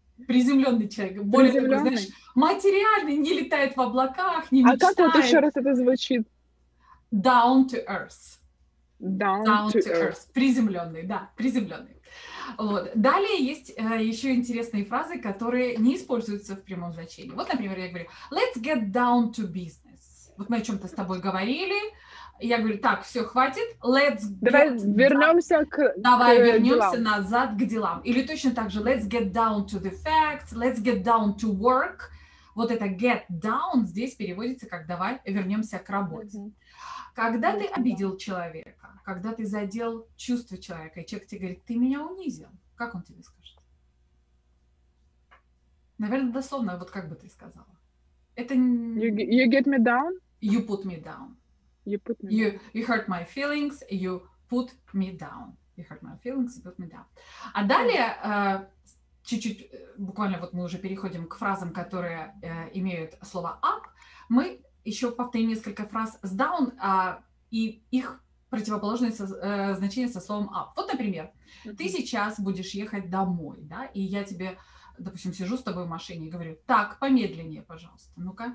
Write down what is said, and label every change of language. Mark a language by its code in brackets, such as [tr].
[ru] Приземленный человек, более того, знаешь, материальный, не летает в облаках, не мечтает. А как вот еще раз это звучит? [en] Down to earth. Down to earth. [ru] Приземленный, да, приземленный. Вот. Далее есть еще интересные фразы, которые не используются в прямом значении. Вот, например, я говорю, [en] let's get down to business. [ru] Вот мы о чем-то с тобой говорили. Я говорю, так, все, хватит, [en] let's [ru] давай [en] get [ru] вернемся к давай к вернемся делам. Назад к делам. Или точно так же, [en] let's get down to the facts, let's get down to work. [ru] Вот это get down здесь переводится как давай вернемся к работе. Mm-hmm. Когда mm-hmm. ты обидел человека, когда ты задел чувство человека, и человек тебе говорит, ты меня унизил, как он тебе скажет? Наверное, дословно, вот как бы ты сказала? Это... [en] You get me down? You put me down. You put me down. You hurt my feelings, you put me down. You hurt my feelings about me, да. [ru] А далее, чуть-чуть, буквально вот мы уже переходим к фразам, которые имеют слово up, мы еще повторим несколько фраз с down и их противоположное значение со словом up. Вот, например, ты сейчас будешь ехать домой, да, и я тебе, допустим, сижу с тобой в машине и говорю, так, помедленнее, пожалуйста, ну-ка.